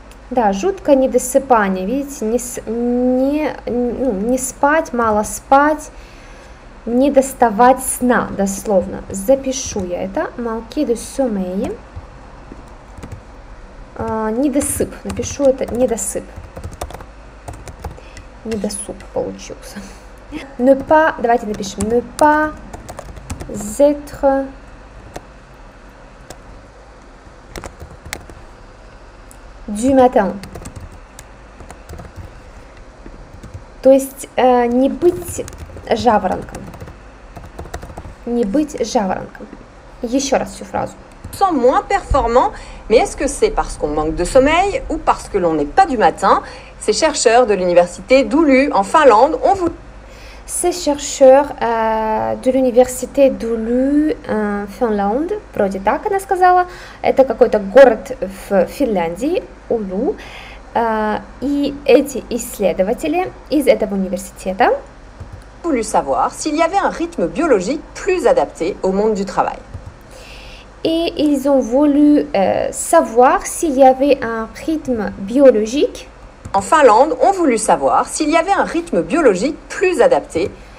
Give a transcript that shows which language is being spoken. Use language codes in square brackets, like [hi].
[ru] Да, жуткое недосыпание, видите, не спать, мало спать, не доставать сна, дословно. Запишу я это, [fr] manquer de sommeil, [ru] недосып, напишу это, недосып, недосып получился. [fr] Ne pas, [ru] давайте напишем, [fr] ne pas être... du matin. [ru] То есть не быть жаворонком. Не быть жаворонком. Еще раз всю фразу. [fr] sent moins performant. Mais est-ce que c'est parce qu'on manque de sommeil ou parce que l'on n'est pas du matin? Ces chercheurs de l'université d'Oulu en Finlande ont voulu... Ces chercheurs de l'université d'Oulu en Finlande, [ru] вроде так она сказала, это какой-то город в Финляндии, Улу. И эти исследователи из этого университета [fr] voulu savoir s'il y avait un rythme biologique plus adapté au monde du travail. Et ils ont voulu savoir s'il y avait un rythme biologique. En Finlande, on voulu savoir s'il y avait un rythme biologique plus adapté.